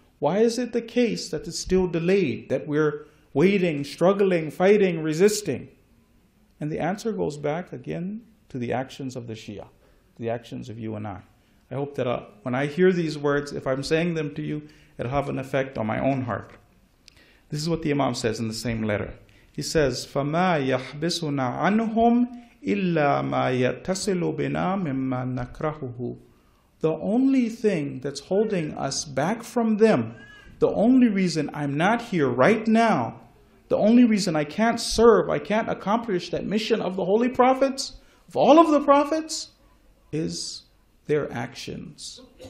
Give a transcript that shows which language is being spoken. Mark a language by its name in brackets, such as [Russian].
[English] Why is it the case that it's still delayed, that we're waiting, struggling, fighting, resisting? And the answer goes back again to the actions of the Shia, the actions of you and I. I hope that when I hear these words, if I'm saying them to you, it'll have an effect on my own heart. This is what the Imam says in the same letter. He says, [Arabic] فَمَا يَحْبِسُنَا عَنْهُمْ إِلَّا مَا يَتَّسِلُ بِنَا مِمَّا نَكْرَهُهُ. [English] The only thing that's holding us back from them, the only reason I'm not here right now, the only reason I can't serve, I can't accomplish that mission of the holy prophets, of all of the prophets, is their actions.